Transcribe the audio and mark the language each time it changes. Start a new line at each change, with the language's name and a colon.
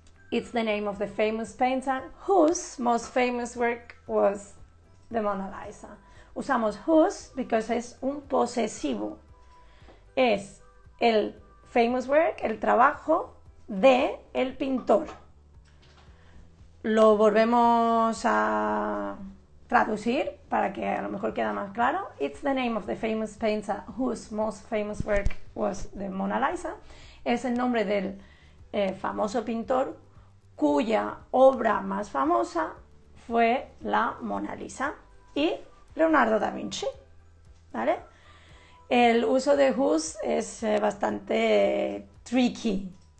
English: It's the name of the famous painter whose most famous work was the Mona Lisa.
Spanish: Usamos whose
English: because
Spanish: es un posesivo. Es el
English: famous work,
Spanish: el trabajo de el pintor. Lo volvemos a traducir para que a lo mejor queda más claro.
English: It's the name of the famous painter whose most famous work was the Mona Lisa.
Spanish: Es el nombre del famoso pintor cuya obra más famosa fue la Mona Lisa y Leonardo da Vinci, ¿vale? El uso de whose es bastante tricky.